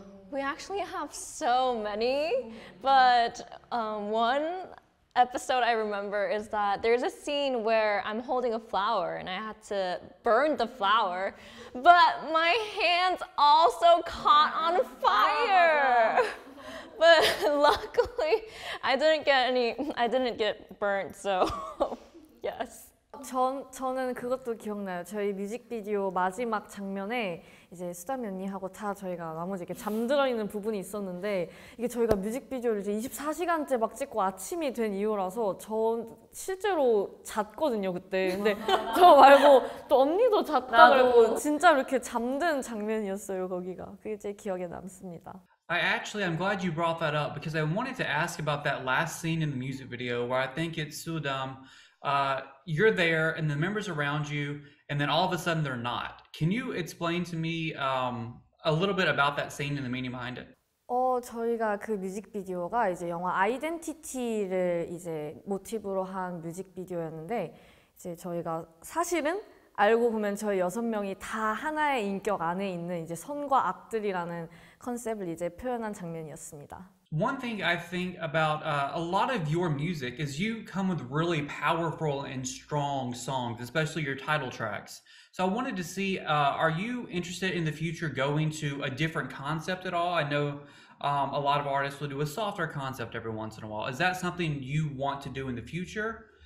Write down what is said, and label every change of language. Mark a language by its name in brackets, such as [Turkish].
[English] We actually have so many, but one episode I remember is that there's a scene where I'm holding a flower and I had to burn the flower, but my hands also caught on fire. But luckily, I didn't get burnt, so yes. [Korean] 저는 그것도 기억나요. 저희 뮤직비디오 마지막 장면에 이제 수담이 언니하고 다 저희가 나머지 이렇게 잠들어 있는 부분이 있었는데, 이게 저희가 뮤직비디오를 이제 24시간째 막 찍고 아침이 된 이유라서 저 실제로 잤거든요, 그때. 근데 저 말고 또 언니도 잤다 그러고 진짜 이렇게 잠든 장면이었어요, 거기가. 그게 제일 기억에 남습니다. [English] I'm glad you brought that up, because I wanted to ask about that last scene in the music video where I think it's Sudam. You're there and the members around you, and then all of a sudden they're not. Can you explain to me a little bit about that scene and the meaning behind it? [Korean] 저희가 그 뮤직비디오가 이제 영화 아이덴티티를 이제 모티브로 한 뮤직비디오였는데, 이제 저희가 사실은 알고 보면 저희 여섯 명이 다 하나의 인격 안에 있는 이제 선과 악들이라는 컨셉을 이제 표현한 장면이었습니다. [English] One thing I think about a lot of your music is you come with really powerful and strong songs, especially your title tracks. So I wanted to see, are you interested in the future going to a different concept at all? I know a lot of artists will do a softer concept every once in a while. Is that something you want to do in the future?